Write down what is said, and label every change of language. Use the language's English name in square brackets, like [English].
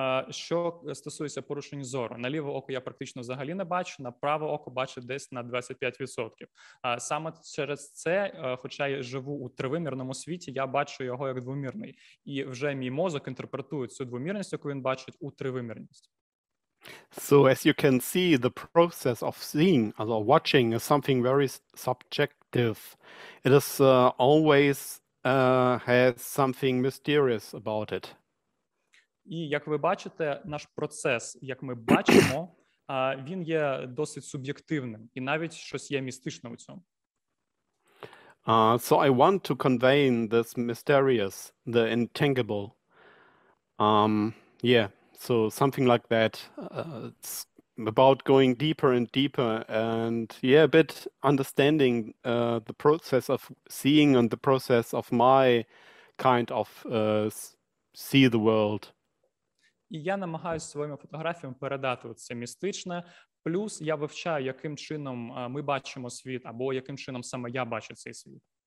[Ukrainian] Що стосується порушень зору? На ліве око я практично взагалі не бачу, на праве око бачу десь на 25%. Саме через це, хоча я живу у тривимірному світі, я бачу його як двомірний. І вже мій мозок інтерпретує цю двомірність, яку він бачить, у тривимірність. [English] So, as you can see, the process of seeing or watching is something very subjective. It is always has something mysterious about it. [Ukrainian] І як ви бачите, наш процес, як ми бачимо, він є досить суб'єктивним, і навіть щось є містичне у цьому. [English] So I want to convey this mysterious, the intangible. Yeah, so something like that. It's about going deeper and deeper and yeah, a bit understanding the process of seeing and the process of my kind of see the world. [Ukrainian] І я намагаюся своїми фотографіями передати це містичне. Плюс я вивчаю, яким чином ми бачимо світ, або яким чином саме я бачу цей світ.